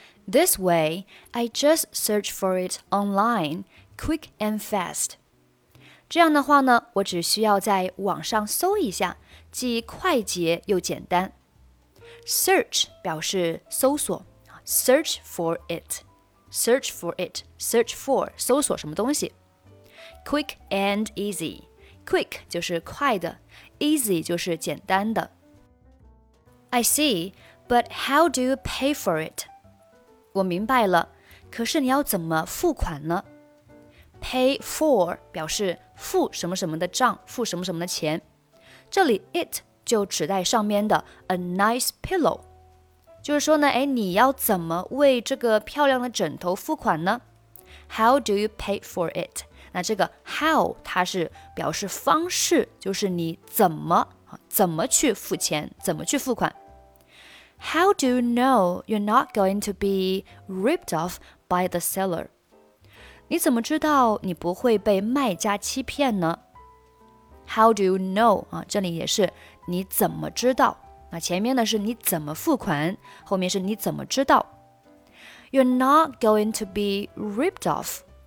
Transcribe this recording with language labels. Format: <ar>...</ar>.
<en>This way, I just search for it online, quick and fast.</en> <zh>这样的话呢，我只需要在网上搜一下，既快捷又简单。</zh> <en>Search</en> <zh>表示搜索。</zh> <en>Search for it. Search for it. Search for</en> <zh>搜索什么东西。</zh> <en>Quick and easy.</en> <zh>Quick 就是快的 ，easy 就是简单的。</zh> <en>I see, but how do you pay for it?</en> <zh>我明白了，可是你要怎么付款呢</zh> <en>？Pay for</en> <zh>表示付什么什么的账，付什么什么的钱。这里 it 就指代上面的</zh> <en>a nice pillow，</en> <zh>就是说呢，哎，你要怎么为这个漂亮的枕头付款呢</zh> <en>？How do you pay for it?</en> <zh>那这个 how 它是表示方式，就是你怎么去付钱，怎么去付款。</zh> <en>How do you know you're not going to be ripped off by the seller?</en> <zh>你怎么知道你不会被卖家欺骗呢</zh> <en>？How do you know</en> <zh>啊？这里也是你怎么知道？那前面呢是你怎么付款，后面是你怎么知道</zh> <en>？You're not going to be ripped off.</en>